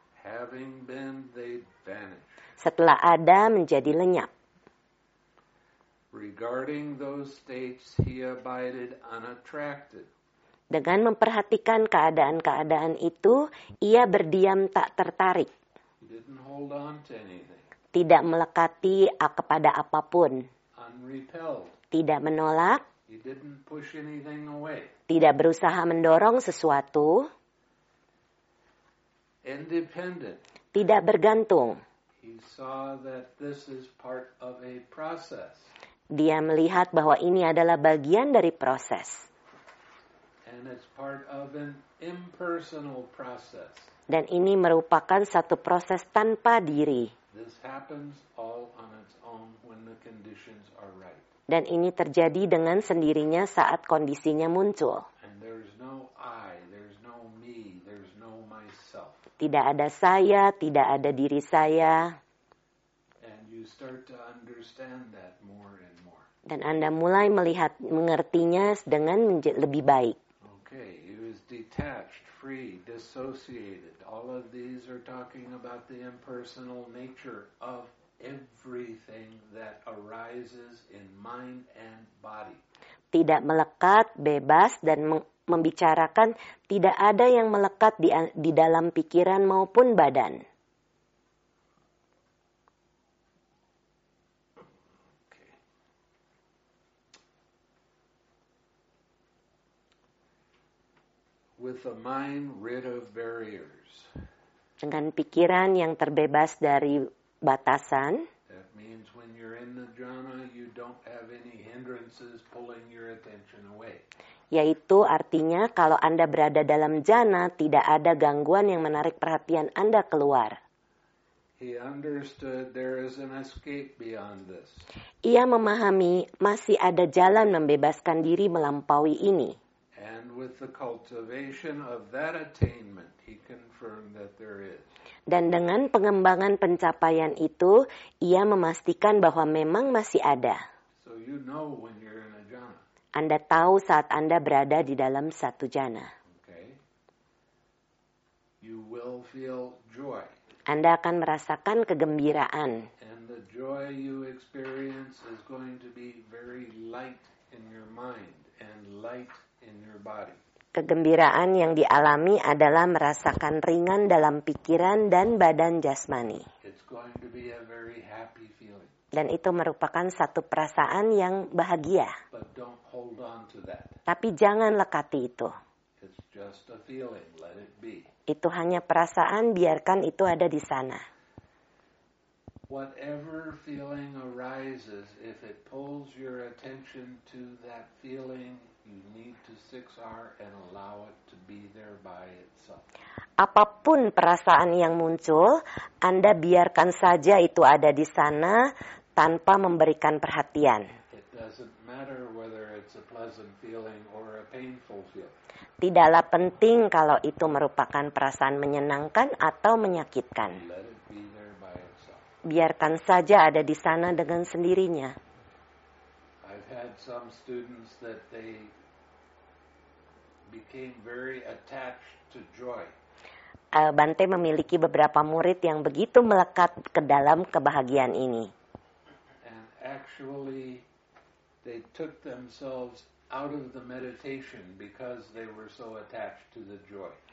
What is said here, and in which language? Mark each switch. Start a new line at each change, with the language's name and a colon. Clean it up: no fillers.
English: Having been, they vanish.
Indonesian: Setelah ada menjadi lenyap.
English: Regarding those states, he abided unattracted.
Indonesian: Dengan memperhatikan keadaan-keadaan itu, ia berdiam tak tertarik.
English: He didn't hold on to anything.
Indonesian: Tidak melekati kepada apapun.
English: Unrepelled.
Indonesian: Tidak menolak.
English: He didn't push anything away.
Indonesian: Tidak berusaha mendorong sesuatu.
English: Independent.
Indonesian: Tidak bergantung.
English: He saw that this is part of a process.
Indonesian: Dia melihat bahwa ini adalah bagian dari proses.
English: And it's part of an impersonal process.
Indonesian: Dan ini merupakan satu proses tanpa diri.
English: This happens all on its own when the conditions are right.
Indonesian: Dan ini terjadi dengan sendirinya saat kondisinya muncul.
English: And there's no I, there's no me, there's no myself.
Indonesian: Tidak ada saya, tidak ada diri saya.
English: And you start to understand that more and more.
Indonesian: Dan Anda mulai melihat mengertinya dengan lebih baik.
English: Okay, he was detached. Free, dissociated. All of these are talking about the impersonal nature of everything that arises in mind and body.
Indonesian: Tidak melekat, bebas, dan membicarakan tidak ada yang melekat di dalam pikiran maupun badan.
English: With the mind rid of barriers.
Indonesian: Dengan pikiran yang terbebas dari batasan.
English: That means when you're in the jhana, you don't have any hindrances pulling your attention away.
Indonesian: Yaitu artinya kalau Anda berada dalam jhana, tidak ada gangguan yang menarik perhatian Anda keluar.
English: He understood there is an escape beyond this.
Indonesian: Ia memahami masih ada jalan membebaskan diri melampaui ini.
English: And with the cultivation of that attainment, he confirmed that there is.
Indonesian: Dan dengan pengembangan pencapaian itu, ia memastikan bahwa memang masih ada.
English: So you know when you're in a jhana.
Indonesian: Anda tahu saat Anda berada di dalam satu jhana.
English: Okay. You will feel joy.
Indonesian: Anda akan merasakan kegembiraan.
English: And the joy you experience is going to be very light in your mind and light in your body.
Indonesian: Kegembiraan yang dialami adalah merasakan ringan dalam pikiran dan badan jasmani.
English: It's going to be a very happy feeling.
Indonesian: Dan itu merupakan satu perasaan yang bahagia.
English: But don't hold on to that.
Indonesian: Tapi jangan lekati itu.
English: It's just a feeling. Let it be.
Indonesian: Itu hanya perasaan, biarkan itu ada di sana.
English: Whatever feeling arises, if it pulls your attention to that feeling, you need to 6R and allow it to be there by itself.
Indonesian: Apapun perasaan yang muncul, Anda biarkan saja itu ada di sana tanpa memberikan perhatian.
English: It doesn't matter whether it's a pleasant feeling or a painful feeling.
Indonesian: Tidaklah penting kalau itu merupakan perasaan menyenangkan atau menyakitkan.
English: Let it be there by itself.
Indonesian: Biarkan saja ada di sana dengan sendirinya.
English: I've had some students that they became very attached to joy.
Indonesian: Bante memiliki beberapa murid yang begitu melekat ke dalam kebahagiaan ini.
English: And actually, they took themselves out of the meditation because they were so attached to the joy.